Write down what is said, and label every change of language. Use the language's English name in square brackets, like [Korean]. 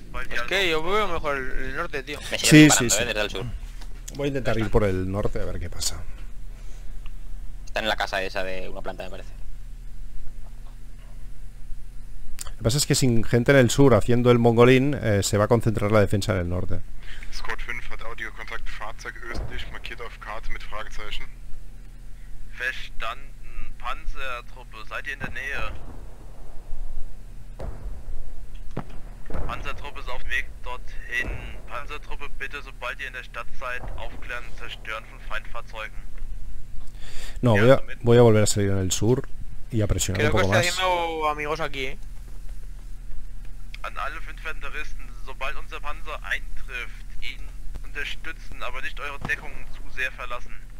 [Spanish] Es que yo veo mejor el norte, tío. Sí. Desde el sur. Voy a intentar ir por el norte a ver qué pasa. Está en la casa esa de una planta, me parece. Lo que pasa es que sin gente en el sur haciendo el mongolín, se va a concentrar la defensa en el norte. [German] Squad 5 hat Audiokontakt Fahrzeug östlich markiert auf Karte mit Fragezeichen. Verstanden, Panzertruppe, seid ihr in der Nähe? Panzertruppe ist auf dem Weg dorthin. Panzertruppe, bitte sobald ihr in der Stadt seid, aufklären und zerstören von Feindfahrzeugen. [Spanish] No, voy a volver a salir en el sur y a presionar. Creo un poco que más. Creo que está yendo amigos aquí, [German] An alle fünf Fenderisten, sobald unser Panzer eintrifft, ihn unterstützen, aber nicht eure Deckung zu sehr verlassen.